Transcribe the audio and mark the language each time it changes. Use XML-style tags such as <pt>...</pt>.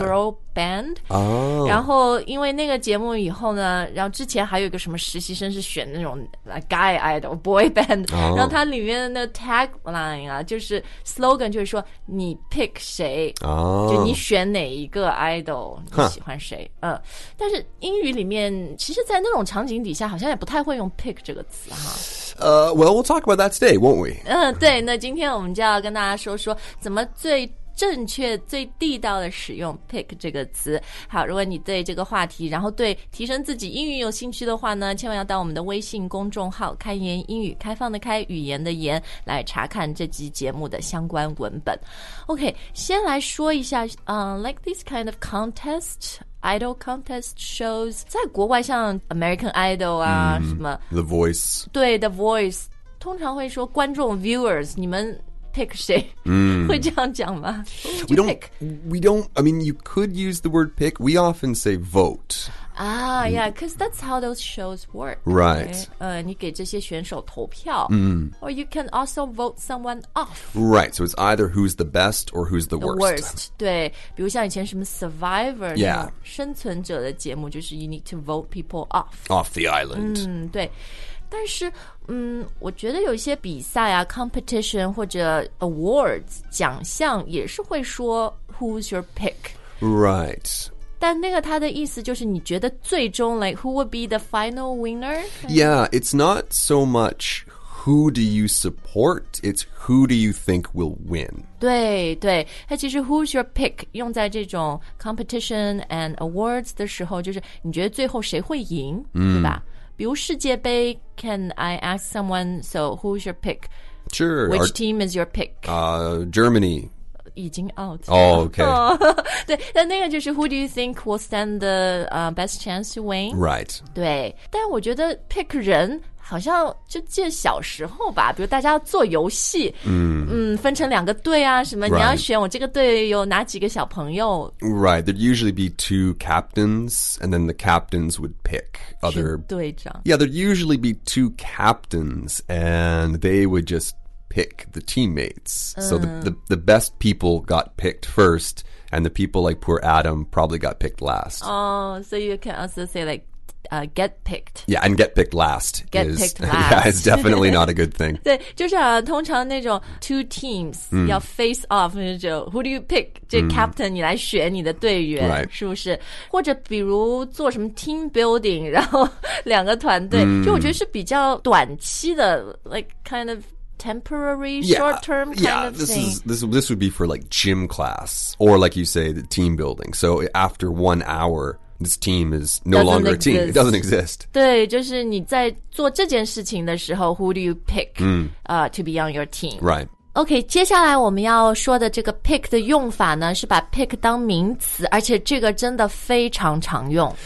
<zh>girl band、然后因为那个节目以后呢，然后之前还有一个什么实习生是选那种</zh> <en>guy idol boy band、</en> <zh>然后它里面的那个 tagline 啊，就是 slogan 就是说你 pick 谁、就你选哪一个 idol 你喜欢谁、但是英语里面其实在那种场景底下好像也不太会用 pick 这个词哈。</zh> <en>Well, we'll talk about that today, won't we?</en> <zh>对，那今天我们就要跟大家说说怎么最正确、最地道的使用 pick 这个词。好，如果你对这个话题，然后对提升自己英语有兴趣的话呢，千万要到我们的微信公众号“开言英语”，开放的开，语言的言，来查看这期节目的相关文本。</zh> <en>OK,</en> <zh>先来说一下，</zh> <en>like this kind of contest. Idol contest shows</en> <zh>在国外像 American Idol 啊、什么</zh> <en>The Voice</en> <zh>对 The Voice 通常会说观众 viewers 你们 pick 谁、会这样讲吗</zh> <en>We don't I mean you could use the word pick we often say vote yeah because that's how those shows work right</en> <zh>你给这些选手投票、</zh> <en>or you can also vote someone off right so it's either who's the best or who's the worst</en> <zh>对比如像以前什么 Survivor</zh> <en>yeah</en> <zh>生存者的节目就是</zh> <en>you need to vote people off off the island</en> <zh>对但是我觉得有一些比赛啊 competition 或者 awards 奖项也是会说</zh> <en>who's your pick right</en> <zh>但那个他的意思就是你觉得最终</zh> <en>like who would be the final winner? Yeah, it's not so much who do you support, it's who do you think will win.</en> <zh>对对他其实</zh> <en>who's your pick</en> <zh>用在这种</zh> <en>competition and awards</en> <zh>的时候就是你觉得最后谁会赢、对吧比如世界杯</zh> <en>can I ask someone, so who's your pick? Sure. Which team is your pick?、 Germany.</en> <zh>已经</zh> <en>out 了 oh, okay. Oh,</en> <zh>对那个就是</zh> <en>who do you think will stand the、best chance to win? Right.</en> <zh>对但我觉得 pick 人好像就借小时候吧比如大家要做游戏、分成两个队啊什么、</zh> <en>right.</en> <zh>你要选我这个队有哪几个小朋友。</zh> <en>Right, there'd usually be two captains and then the captains would pick other...</en> <zh>队长。</zh> <en>Yeah, there'd usually be two captains and they would justpick the teammates. So the best people got picked first, and the people like poor Adam probably got picked last. Oh, so you can also say like, get picked. Yeah, and get picked last. Get is, picked last. Yeah, it's definitely not a good thing.</en> <zh>对就是、通常那种</zh> <en>two teams</en> <zh>要 face off, 那就</zh> <en>who do you pick?</en> <zh>这 captain 你来选你的队员、是不是或者比如做什么 team building, 然后两个团队、就我觉得是比较短期的</zh> <en>like kind ofTemporary, short-term kind of thing. Yeah, this would be for like gym class or like you say, the team building. So after 1 hour, this team is no longer a team. It doesn't exist.</en> <zh>对，就是你在做这件事情的时候</zh> <en>who do you pick、to be on your team? Right.</en> <zh>OK, 接下来我们要说的这个 pick 的用法呢是把 pick 当名词而且这个真的非常常用。</zh>